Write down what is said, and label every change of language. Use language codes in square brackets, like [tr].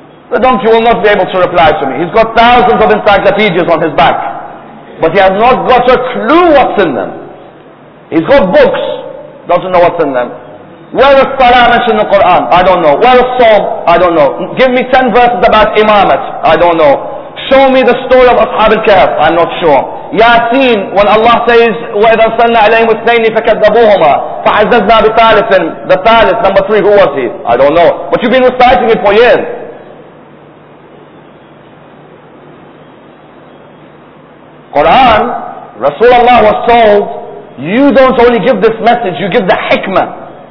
[en] The donkey will not be able to reply to me. He's got thousands of encyclopedias on his back, but he has not got a clue what's in them. He's got books, doesn't know what's in them. Where is Salah mentioned in the Quran? I don't know. Where is Psalm? I don't know. Give me 10 verses about Imamat. I don't know. Show me the story of Ashab al-Kahf. I'm not sure. Yasin, when Allah says, [ar] وَإِذَا أَرْسَلْنَا عَلَيْهِمُ اثْنَيْنِ فَكَذَّبُوهُمَا فَعَزَّزْنَا بِثَالِثٍ. [en] The thalith, number three, who was he? I don't know. But you've been reciting it for years. Quran, Rasulullah was told, you don't only give this message, you give the hikmah.